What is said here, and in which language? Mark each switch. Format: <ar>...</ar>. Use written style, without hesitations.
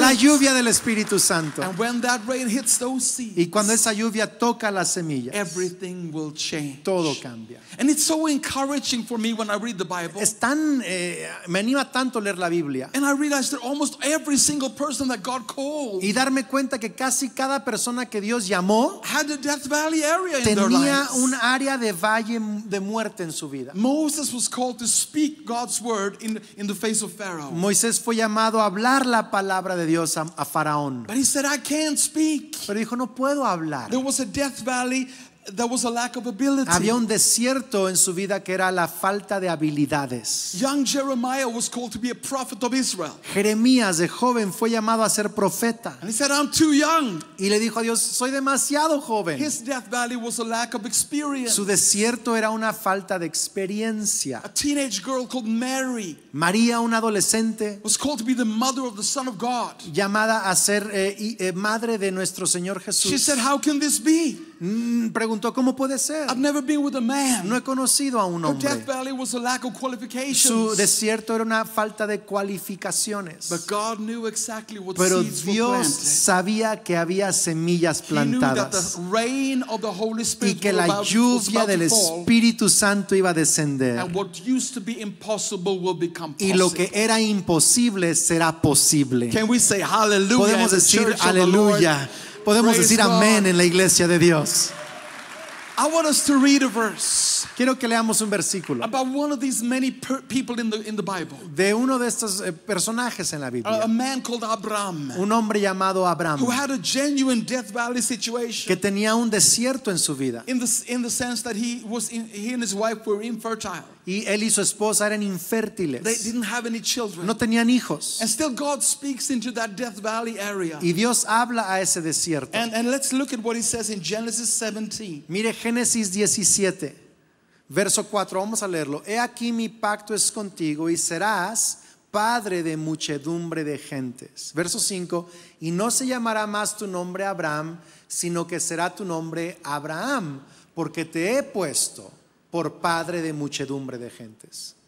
<es>La lluvia del Espíritu Santo.</es> <en>And when that rain hits those seeds,</en> <es>y cuando esa lluvia toca las semillas,</es> <en>everything will change.</en> <es>Todo cambia.</es> <en>And it's so encouraging for me when I read the Bible.</en> <es>Es tan, me anima tanto leer la Biblia.</es> <en>And I realize that almost every single person that God called.</en> <es>Y darme cuenta que casi cada persona que Dios llamó</es> <en>had a death valley area in</en> <es>tenía</es> <en>their lives.</en> <es>Un área de valle de muerte en su vida.</es> <en>Moses was called to speak God's word in the face of Pharaoh.</en> <es>Moisés fue llamado a hablar la palabra de Dios a Faraón.</es> <en>But he said, I can't speak.</en> <es>Pero dijo, no puedo hablar.</es> <en>There was a death valley. There was a lack of ability.</en> <es>Había un desierto en su vida que era la falta de habilidades.</es> <en>Young Jeremiah was called to be a prophet of Israel.</en> <es>Jeremías de joven fue llamado a ser profeta.</es> <en>And he said, I'm too young.</en> <es>Y le dijo a Dios, soy demasiado joven.</es> <en>His death valley was a lack of experience.</en> <es>Su desierto era una falta de experiencia.</es> <en>A teenage girl called Mary.</en> <es>María, una adolescente,</es> <en>was called to be the mother of the Son of God.</en> <es>Llamada a ser madre de nuestro Señor Jesús.</es> <en>She said, how can this be?</en> <es>Preguntó, ¿cómo puede ser?</es> <en>I've never been with a man.</en> <es>No he conocido a un hombre.</es> <en>Her death valley was a lack of qualifications.</en> <es>Su desierto era una falta de cualificaciones.</es> <en>But God knew exactly what</en> <es>pero</es> <en>seeds</en> <es>Dios</es> <en>were planted.</en> <es>Sabía que había semillas plantadas.</es> <en>He knew that the rain of the Holy Spirit</en> <es>y que la lluvia</es> <en>about</en> <es>del Espíritu Santo iba a descender.</es> <en>And what used to be impossible will become possible.</en> <es>Y lo que era imposible será posible.</es> <en>Can we say hallelujah?</en> <es>Podemos decir aleluya. Podemos</es> <en>praise</en> <es>decir amén en la iglesia de Dios.</es> <en>I want us to read a verse.</en> <es>Quiero que leamos un versículo.</es> <en>About one of these many people in the Bible.</en> <es>De uno de estos personajes en la Biblia.</es> <en>A man called Abraham.</en> <es>Un hombre llamado Abraham.</es> <en>Who had a genuine death valley situation.</en> <es>Que tenía un desierto en su vida.</es> <en>In the sense that he and his wife were infertile.</en> <es>Y él y su esposa eran infértiles.</es> <en>They didn't have any children.</en> <es>No tenían hijos.</es> <en>And still God speaks into that death valley area.</en> <es>Y Dios habla a ese desierto.</es> <en>And let's look at what he says in Genesis 17.</en> <es>Mire Génesis 17. Verso 4, vamos a leerlo. He aquí mi pacto es contigo y serás padre de muchedumbre de gentes. Verso 5, y no se llamará más tu nombre Abraham, sino que será tu nombre Abraham, porque te he puesto por padre de muchedumbre de gentes.</es>